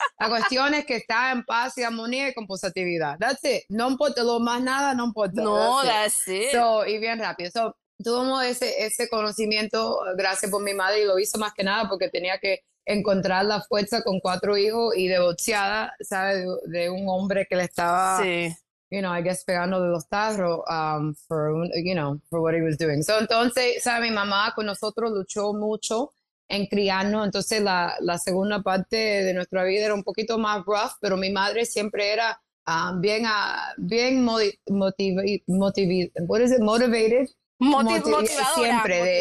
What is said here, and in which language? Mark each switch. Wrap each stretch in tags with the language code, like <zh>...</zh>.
<es>La cuestión es que está en paz y armonía y con positividad.</es> <en>That's it.</en> <es>No importa lo más nada, no importa. No,</es> <en>That's it. that's it.</en> <es>So, y bien rápido. So, tuvimos ese conocimiento, gracias por mi madre, y lo hizo más que nada porque tenía que encontrar la fuerza con cuatro hijos y divorciada, ¿sabes? De un hombre que le estaba, Sí.</es> <en>you know, I guess,</en> <es>pegando de los tarros,</es> <en>you know, for what he was doing.</en> <es>So, entonces, ¿sabes? Mi mamá con nosotros luchó mucho en criarnos, entonces la segunda parte de nuestra vida era un poquito más rough, pero mi madre siempre era bien motivated, Motivadora, siempre</es>